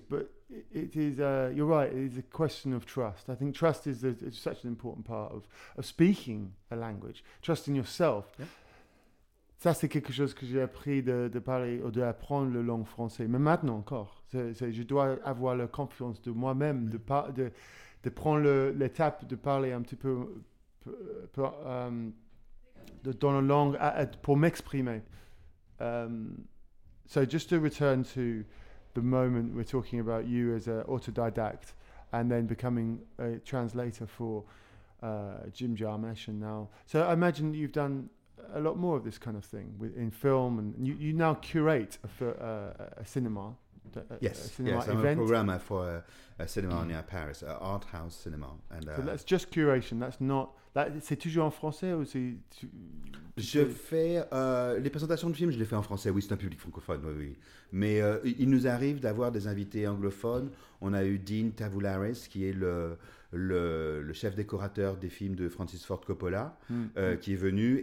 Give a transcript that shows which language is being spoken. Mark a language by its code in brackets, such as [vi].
[en] But it is, you're right, it is a question of trust. I think trust is such an important part of speaking a language. Trust in yourself. Yeah. [fr] Ça, c'est quelque chose que j'ai appris de parler ou d'apprendre la langue française. Mais maintenant encore, je dois avoir la confiance de moi-même, de prendre l'étape de parler un petit peu dans la langue pour m'exprimer. [en] So just to return to the moment we're talking about you as an autodidact and then becoming a translator for Jim Jarmusch and now. So I imagine you've done a lot more of this kind of thing in film, and you now curate a cinema event. I'm a programmer for a cinema near Paris, an art house cinema, and so that's just curation. That's not that. [fr] C'est toujours en français ou c'est? Les présentations de films, je les fais en français. Oui, c'est un public francophone. Oui. Mais il nous arrive d'avoir des invités anglophones. On a eu Dean Tavoularis, qui est le chef décorateur des films de Francis Ford Coppola, qui est venu.